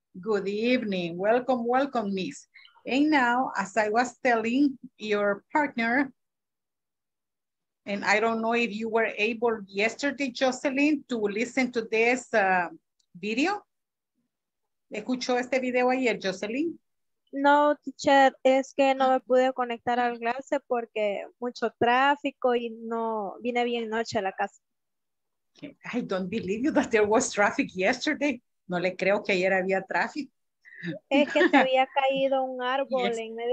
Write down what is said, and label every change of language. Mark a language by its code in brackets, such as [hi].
[en] Good evening, welcome, welcome, miss. And now, as I was telling your partner, and I don't know if you were able yesterday, Jocelyn, to listen to this video. [es] ¿Escuchó este video ayer, Jocelyn? No, teacher, es que no me pude conectar al clase porque mucho tráfico y no vine bien noche a la casa. [en] I don't believe you that there was traffic yesterday. [es] No le creo que ayer había tráfico. Es que se había caído un árbol yes, en medio